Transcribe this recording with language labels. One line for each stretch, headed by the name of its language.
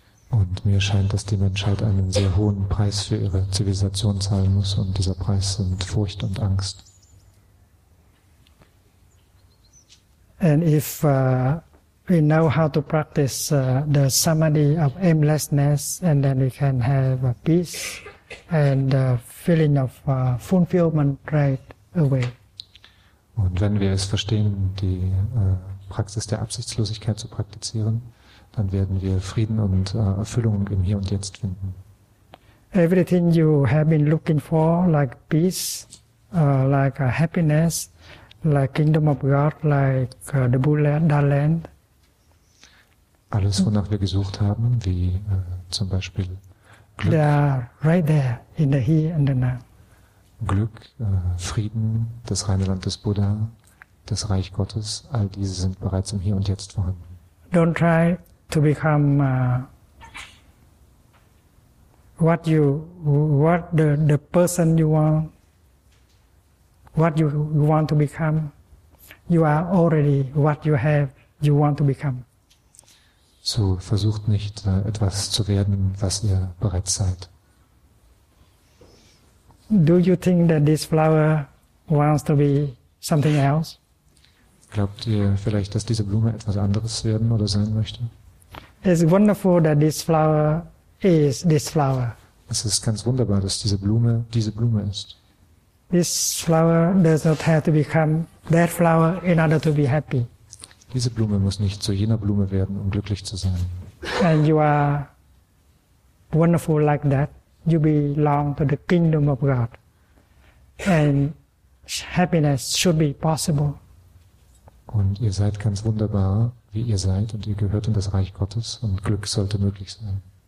German: Und mir scheint, dass die Menschheit einen sehr hohen Preis für ihre Zivilisation zahlen muss, und dieser Preis sind Furcht und Angst.
English: And if we know how to practice the samadhi of aimlessness, and then we can have peace and a feeling of fulfillment right away.
German: Und wenn wir es verstehen, die Praxis der Absichtslosigkeit zu praktizieren, dann werden wir Frieden und Erfüllung im Hier und Jetzt finden.
English: Everything you have been looking for, like peace, like happiness, like kingdom of God, like the Buddha land.
German: Alles, wonach wir gesucht haben, wie zum Beispiel Glück.
English: They are right there in the here and the now.
German: Glück, Frieden, das reine Land des Buddha, das Reich Gottes, all diese sind bereits im Hier und Jetzt vorhanden.
English: Don't try to become the person you want. What you want to become, you are already what you have, you want to become.
German: So versucht nicht, etwas zu werden, was ihr bereits seid.
English: Do you think that this flower wants to be something else?
German: Glaubt ihr vielleicht, dass diese Blume etwas anderes werden oder sein möchte?
English: It's wonderful that this flower is this flower.
German: Es ist ganz wunderbar, dass diese Blume ist.
English: This flower does not have to become that flower in order to be happy.
German: Diese Blume muss nicht zu jener Blume werden, um glücklich zu sein.
English: And you are wonderful like that. You belong to the kingdom of God. And happiness should be possible.
German: Und ihr seid ganz wunderbar, wie ihr seid, und ihr gehört in das Reich Gottes, und Glück sollte möglich sein.